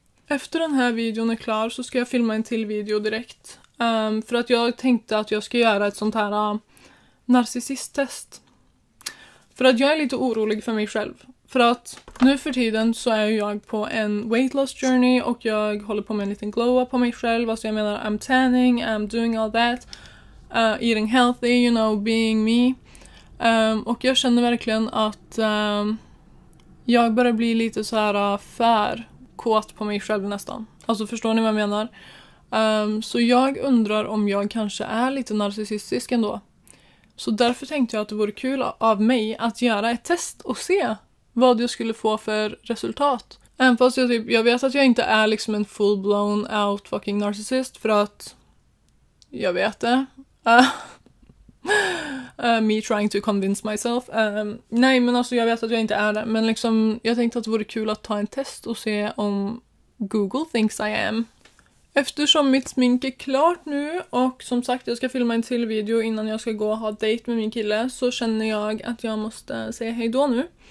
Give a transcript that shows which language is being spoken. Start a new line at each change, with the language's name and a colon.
Swedish: Efter den här videon är klar så ska jag filma en till video direkt. För att jag tänkte att jag ska göra ett sånt här narcissisttest. För att jag är lite orolig för mig själv. För att nu för tiden så är jag på en weight loss journey och jag håller på med en liten glow up på mig själv.
English: Alltså jag menar, I'm tanning, I'm doing all that. Eating healthy, you know, being me.
Swedish: Och jag känner verkligen att jag börjar bli lite så här för kåt på mig själv nästan. Alltså förstår ni vad jag menar? Så jag undrar om jag kanske är lite narcissistisk ändå. Så därför tänkte jag att det vore kul av mig att göra ett test och se vad jag skulle få för resultat. Även fast jag vet att jag inte är liksom en full-blown out fucking narcissist. För att jag vet det.
English: Me trying to convince myself.
Swedish: Nej, men alltså jag vet att jag inte är det. Men liksom jag tänkte att det vore kul att ta en test och se om Google thinks I am. Eftersom mitt smink är klart nu och som sagt jag ska filma en till video innan jag ska gå och ha dejt med min kille, så känner jag att jag måste säga hej då nu.